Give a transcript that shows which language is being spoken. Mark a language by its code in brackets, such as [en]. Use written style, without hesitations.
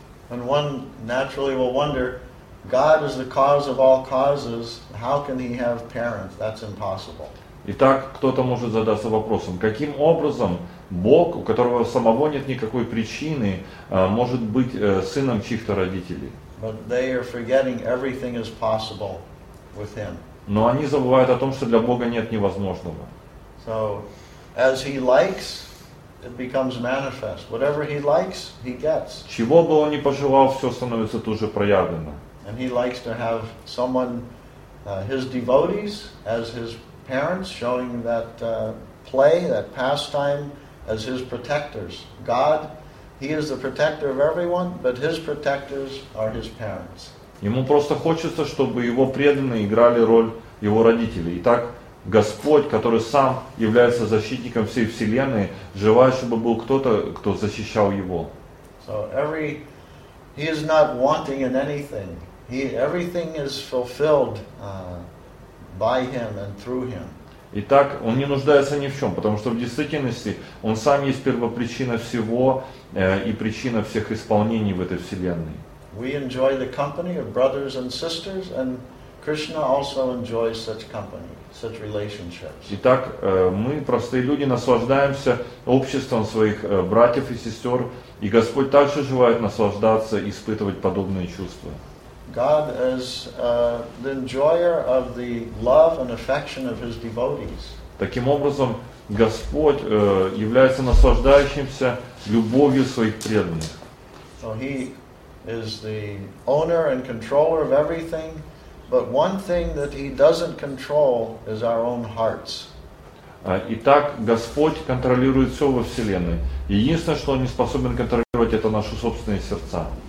[en] And one naturally will wonder, God is the cause of all causes. How can he have parents? That's impossible. [ru] Итак, кто-то может задаться вопросом, каким образом Бог, у которого самого нет никакой причины, может быть сыном чьих-то родителей? [en] But they are forgetting everything is possible with him. [ru] Но они забывают о том, что для Бога нет невозможного. [en] So, as he likes, it becomes manifest. Whatever he likes, he gets. [ru] Чего бы он ни пожелал, все становится тут же проявлено. [en] And he likes to have someone, his devotees, as his parents, showing that play, that pastime, as his protectors. God, he is the protector of everyone, but his protectors are his parents. [ru] Ему просто хочется, чтобы его преданные играли роль его родителей. Итак, Господь, который сам является защитником всей вселенной, желает, чтобы был кто-то, кто защищал его. [en] So every, he is not wanting in anything. He, everything is fulfilled by him and through him. [ru] Итак, он не нуждается ни в чем, потому что в действительности он сам есть первопричина всего и причина всех исполнений в этой вселенной. [en] We enjoy the company of brothers and sisters, and Krishna also enjoys such company. Such relationships. [ru] Итак, мы, простые люди, наслаждаемся обществом своих братьев и сестер, и Господь также желает наслаждаться и испытывать подобные чувства. [en] God is the enjoyer of the love and affection of his devotees. [ru] Таким образом, Господь является наслаждающимся любовью своих преданных. [en] So he is the owner and controller of everything, but one thing that he doesn't control is our own hearts. [ru] Итак, Господь контролирует все во Вселенной. Единственное, что Он не способен контролировать, это наши собственные сердца.